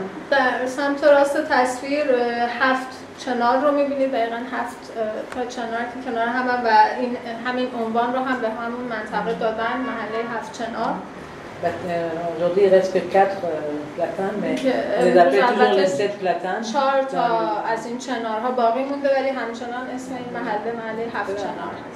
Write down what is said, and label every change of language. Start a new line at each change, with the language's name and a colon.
Persian: در سمت راست تصویر هفت چنار رو می‌بینید دقیقاً هفت تا چنار که کنار هم و این همین عنوان رو هم به همون منطقه دادن محله هفت چنار
French: aujourd'hui il reste que 4 platanes mais on les appelle toujours les 7 platanes
Persian: 4 تا از این چنارها باقی مونده ولی همچنان اسم این محله محله هفت چنار